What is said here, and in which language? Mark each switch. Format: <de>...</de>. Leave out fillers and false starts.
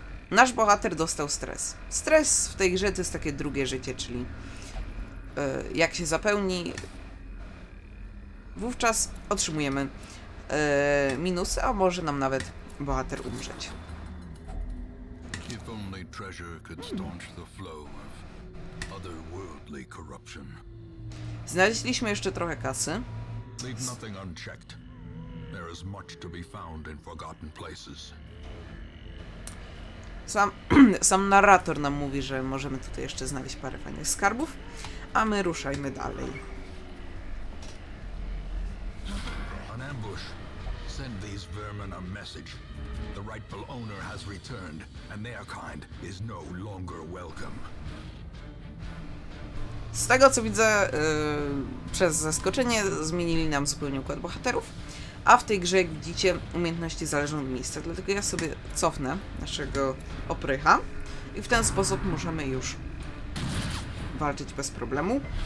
<pl>Nasz bohater dostał stres. Stres w tej grze to jest takie drugie życie, czyli jak się zapełni, wówczas otrzymujemy minusy, a może nam nawet bohater umrzeć.</pl> <en>If only treasure could staunch the flow of otherworldly corruption.</en> <pl>Znaleźliśmy jeszcze trochę kasy.</pl> <en>Leave nothing unchecked. There is much to be found in forgotten places.</en> <pl>Sam narrator nam mówi, że możemy tutaj jeszcze znaleźć parę fajnych skarbów, a my ruszajmy dalej.</pl> <en>An ambush. Send these vermin a message. The rightful owner has returned, and their kind is no longer welcome.</en> <pl>Z tego co widzę, przez zaskoczenie zmienili nam zupełnie układ bohaterów, a w tej grze, jak widzicie, umiejętności zależą od miejsca, dlatego ja sobie cofnę naszego oprycha i w ten sposób możemy już walczyć bez problemu.</pl>